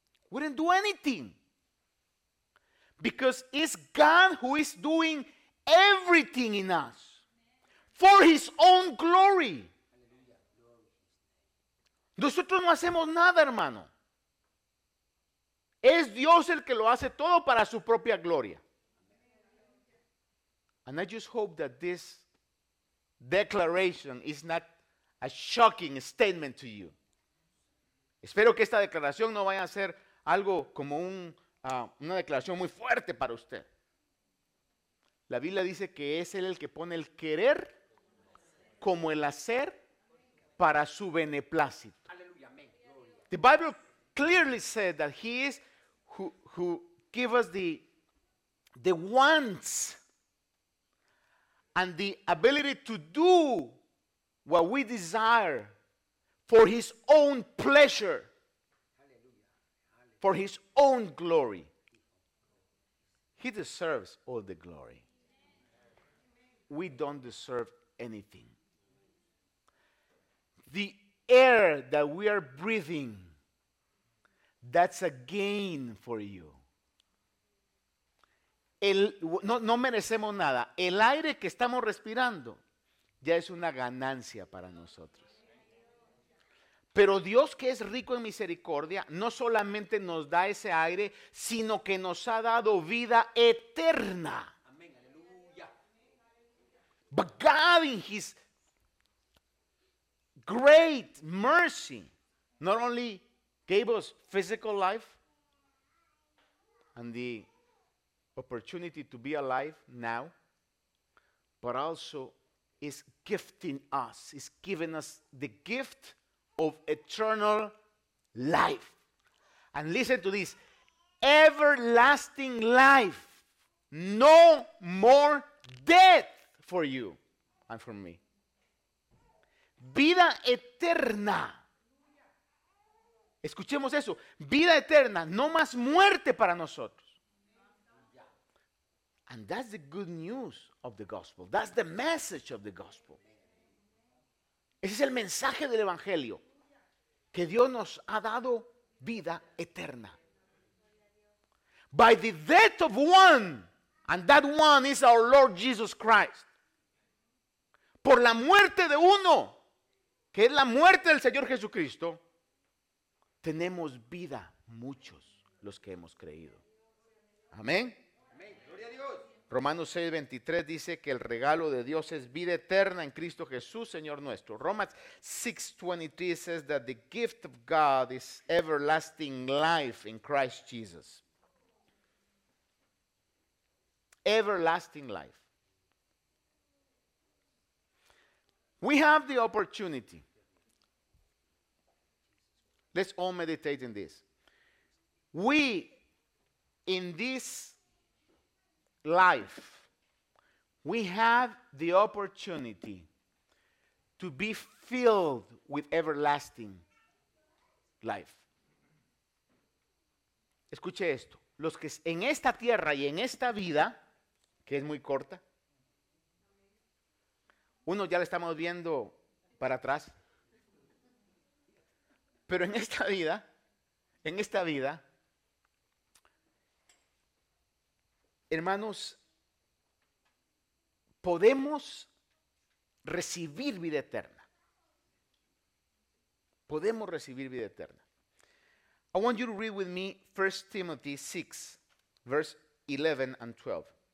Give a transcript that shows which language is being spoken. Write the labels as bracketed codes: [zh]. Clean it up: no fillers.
[en] We didn't do anything. Because it's God who is doing everything in us for his own glory. [es] Nosotros no hacemos nada, hermano. Es Dios el que lo hace todo para su propia gloria. [en] And I just hope that this declaration is not a shocking statement to you. [es] Espero que esta declaración no vaya a ser algo como una declaración muy fuerte para usted. La Biblia dice que es Él el que pone el querer como el hacer para su beneplácito. [en] The Bible clearly said that He is who give us the wants and the ability to do what we desire for His own pleasure, for His own glory. He deserves all the glory. We don't deserve anything. The air that we are breathing, that's a gain for you. [es] No merecemos nada. El aire que estamos respirando ya es una ganancia para nosotros. Pero Dios, que es rico en misericordia, no solamente nos da ese aire, sino que nos ha dado vida eterna. Amén. Aleluya. [en] But God in His great mercy not only gave us physical life and the opportunity to be alive now, but also is gifting us, is giving us the gift of eternal life. And listen to this, everlasting life, no more death for you and for me. [es] Vida eterna. Escuchemos eso, vida eterna, no más muerte para nosotros. [en] And that's the good news of the gospel. That's the message of the gospel. [es] Ese es el mensaje del evangelio. Que Dios nos ha dado vida eterna. [en] By the death of one. And that one is our Lord Jesus Christ. [es] Por la muerte de uno. Que es la muerte del Señor Jesucristo. Tenemos vida muchos los que hemos creído. Amén. Romanos 6:23 dice que el regalo de Dios es vida eterna en Cristo Jesús, Señor nuestro. [en] Romans 6:23 says that the gift of God is everlasting life in Christ Jesus. Everlasting life. We have the opportunity. Let's all meditate in this. We, in this life, we have the opportunity to be filled with everlasting life. [es] Escuche esto. Los que en esta tierra y en esta vida, que es muy corta, uno ya le estamos viendo para atrás. Pero en esta vida, hermanos, podemos recibir vida eterna. Podemos recibir vida eterna. [en] I want you to read with me 1 Timothy 6, verse 11 and 12.